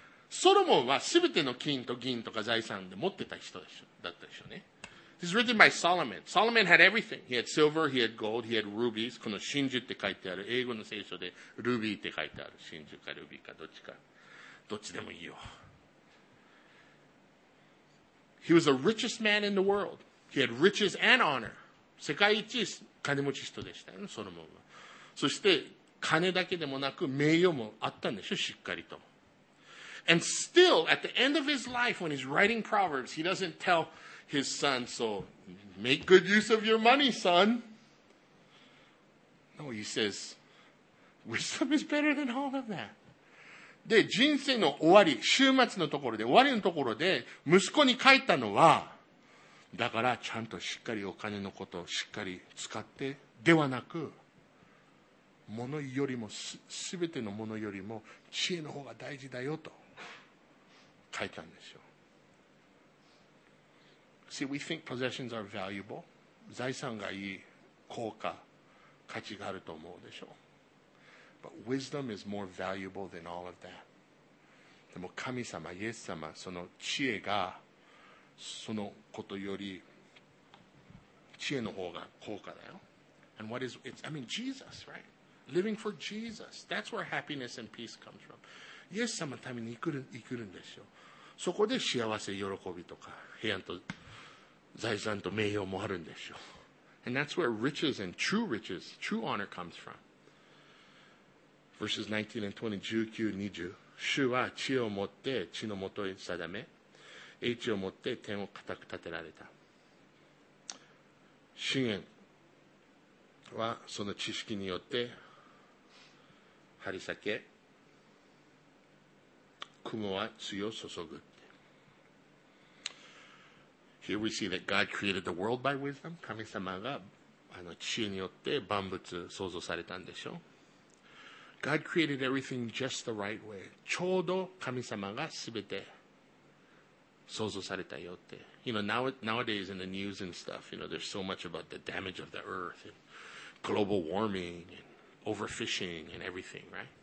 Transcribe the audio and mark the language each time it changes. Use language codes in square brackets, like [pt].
[ja] ソロモンは全ての金と銀とか財産で持ってた人だったでしょうね。 [en] This is written by Solomon. Solomon had everything. He had silver, he had gold, he had rubies. [ja] この真珠って書いてある、英語の聖書でルビーって書いてある。真珠かルビーかどっちか。どっちでもいいよ。 [en] He was the richest man in the world. He had riches and honor. [ja] 世界一金持ち人でしたよね、ソロモンは。そして金だけでもなく名誉もあったんでしょ、しっかりと。 [en] And still, at the end of his life, when he's writing Proverbs, he doesn't tell his son, so make good use of your money, son. No, he says, wisdom is better than all of that. [ja] で、人生の終わり、終末のところで、終わりのところで、息子に帰ったのは、だからちゃんとしっかりお金のことをしっかり使って、ではなく、物よりも、すべてのものよりも、知恵の方が大事だよと。書いたんですよ。 [en] See, we think possessions are valuable. [ja] 財産がいい、高価、価値があると思うでしょう。 [en] But wisdom is more valuable than all of that. [ja] でも神様、イエス様、その知恵がそのことより知恵の方が高価だよ。 [en] And what is, it's, I mean, Jesus, right? Living for Jesus. That's where happiness and peace comes from. [ja] イエス様のために生きるんですよ。そこで幸せ、喜びとか、平安と財産と名誉もあるんでしょう。 [en] And that's where riches and true riches, true honor comes from. Verses 19 and 20, 19-20. [ja] 主は地を持って地のもとへ定め、英知を持って天を固く立てられた。資源はその知識によって張り裂け、雲は露を注ぐ。 [en] Here we see that God created the world by wisdom. [ja] 神様が知恵によって万物創造されたんでしょう。 [en] God created everything just the right way. [ja] ちょうど神様がすべて創造されたよって。 [en] You know, nowadays in the news and stuff, you know, there's so much about the damage of the earth and global warming and overfishing and everything, right?